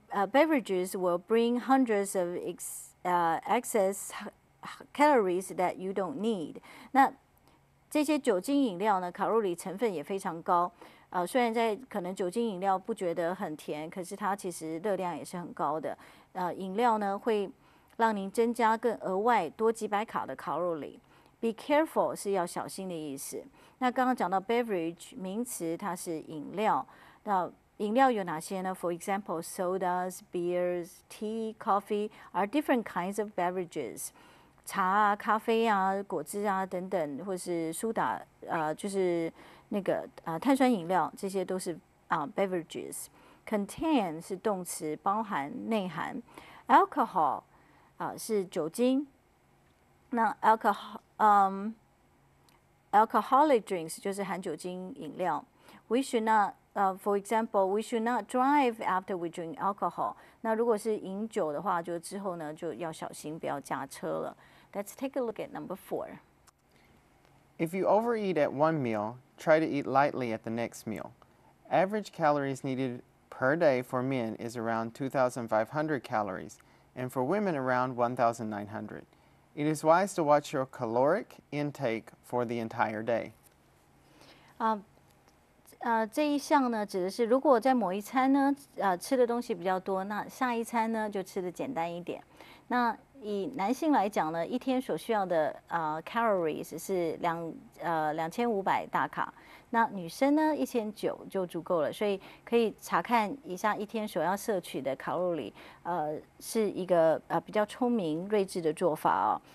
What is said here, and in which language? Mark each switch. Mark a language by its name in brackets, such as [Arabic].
[English] Beverages will bring hundreds of excess calories that you don't need. [Chinese] 那这些酒精饮料呢，卡路里成分也非常高。虽然在可能酒精饮料不觉得很甜，可是它其实热量也是很高的。饮料呢会让您增加更额外多几百卡的卡路里。 Be careful 是要小心的意思。那刚刚讲到 beverage 名词，它是饮料。那饮料有哪些呢 [English] ？For example, sodas, beers, tea, coffee are different kinds of beverages. [Chinese] 茶啊、咖啡啊、果汁啊等等，或是苏打就是。那个碳酸饮料，这些都是beverages. Contain 是动词，包含、内含。Alcohol 是酒精。那alcoholic drinks 就是含酒精饮料。 [English] We should not, for example, we should not drive after we drink alcohol. [Chinese] 那如果是饮酒的话，就之后呢就要小心，不要驾车了。 [English] Let's take a look at number four. If you overeat at one meal.Try to eat lightly at the next meal. average calories needed per day for men is around 2,500 calories, and for women around 1,900. It is wise to watch your caloric intake for the entire day. [Chinese] 这一项呢，指的是如果在某一餐呢，吃的东西比较多，那下一餐呢就吃的简单一点。那以男性来讲呢，一天所需要的calories 是2500大卡，那女生呢1900就足够了，所以可以查看一下一天所要摄取的卡路里，是一个比较聪明睿智的做法哦。